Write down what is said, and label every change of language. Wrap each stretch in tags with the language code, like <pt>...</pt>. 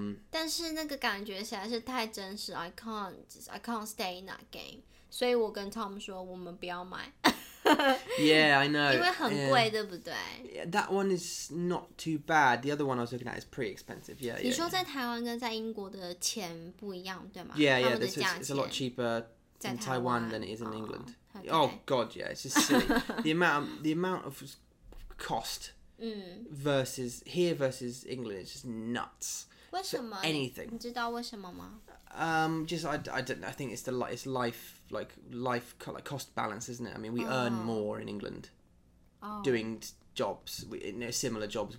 <zh>但是那个感觉实在是太真实,</zh> <en>I can't stay in that game.</en> <zh>所以我跟Tom说我们不要买。</zh> <en>Yeah, I know.</en> <zh>因为很贵，对不对？</zh> <en>Yeah, that one is not too bad. The other one I was looking at is pretty expensive. Yeah, yeah.</en> <zh>你说在台湾跟在英国的钱不一样，对吗？</zh> <en>Yeah, yeah. It's a lot cheaper in Taiwan than it is in England. Okay. Oh God, yeah. It's just silly. the amount of cost versus here versus England is just nuts.</en> <zh>为什么？</zh> <en>So anything.</en> <zh>你知道为什么吗？</zh> <en>Just I don't know. I think it's the life cost balance, isn't it? I mean, we earn more in England doing jobs, similar jobs.</en>